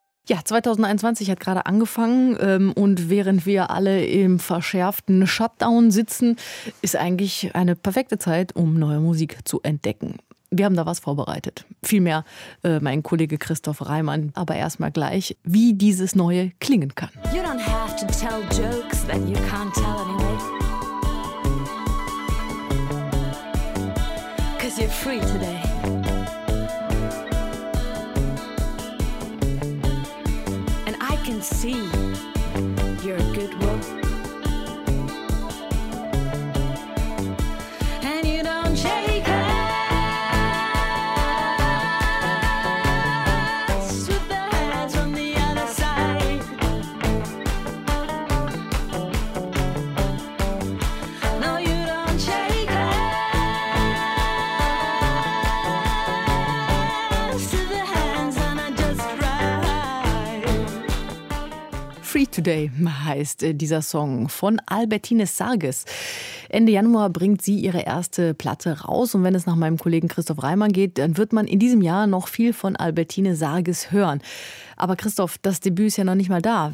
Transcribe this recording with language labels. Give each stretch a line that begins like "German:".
German: Ja, 2021 hat gerade angefangen und während wir alle im verschärften Shutdown sitzen, ist eigentlich eine perfekte Zeit, um neue Musik zu entdecken. Wir haben da was vorbereitet. Vielmehr mein Kollege Christoph Reimann, aber erstmal gleich, wie dieses Neue klingen kann.
English: You don't have to tell jokes that you can't tell anyway. Cause you're free today. Can see your good will, and you don't shake hands with the hands from the other side. No, you don't shake hands with the hands, and I just ride.
German: Free Today heißt dieser Song von Albertine Sarges. Ende Januar bringt sie ihre erste Platte raus. Und wenn es nach meinem Kollegen Christoph Reimann geht, dann wird man in diesem Jahr noch viel von Albertine Sarges hören. Aber Christoph, das Debüt ist ja noch nicht mal da.